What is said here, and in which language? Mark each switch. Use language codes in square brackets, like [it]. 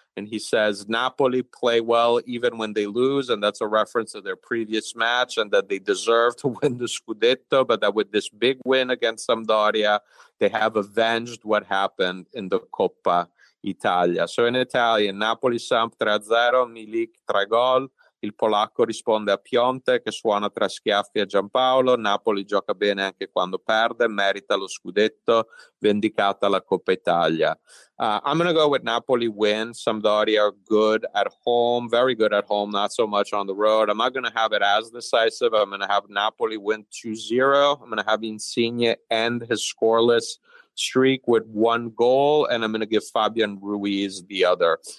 [en] And he says, Napoli play well even when they lose. And that's a reference to their previous match and that they deserve to win the Scudetto. But that with this big win against Sampdoria, they have avenged what happened in the Coppa Italia. So in Italian, Napoli-Samp 3-0, Milik 3 gol. [it] Il polacco risponde a Piontek che suona tra schiaffi a Giampaolo. Napoli gioca bene anche quando perde, merita lo scudetto, vendicata la Coppa Italia. [en] I'm going to go with Napoli win. Sampdoria are good at home, very good at home, not so much on the road. I'm not going to have it as decisive. I'm going to have Napoli win 2-0. I'm going to have Insigne end his scoreless streak with one goal, and I'm going to give Fabian Ruiz the other.